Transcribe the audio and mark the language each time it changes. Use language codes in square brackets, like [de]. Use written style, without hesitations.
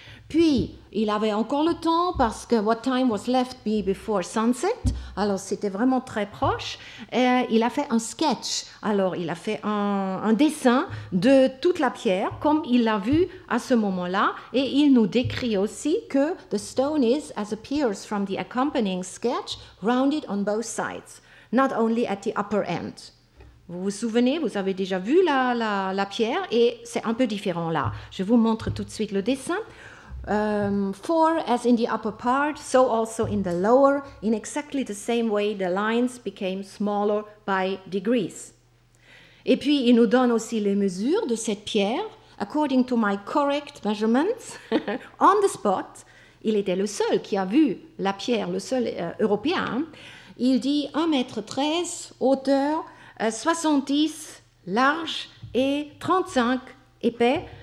[fr] Puis, il avait encore le temps parce que [en] what time was left be before sunset, [fr] alors c'était vraiment très proche, et il a fait un sketch, alors il a fait un dessin de toute la pierre comme il l'a vu à ce moment-là, et il nous décrit aussi que [en] the stone is, as appears from the accompanying sketch, rounded on both sides, not only at the upper end. [fr] Vous vous souvenez, vous avez déjà vu la pierre et c'est un peu différent là. Je vous montre tout de suite le dessin. [en] For as in the upper part, so also in the lower, in exactly the same way the lines became smaller by degrees. [fr] Et puis il nous donne aussi les mesures de cette pierre. [en] According to my correct measurements, on the spot, [fr] il était le seul qui a vu la pierre, le seul européen. Il dit 1m13, hauteur 70, large et 35, épais.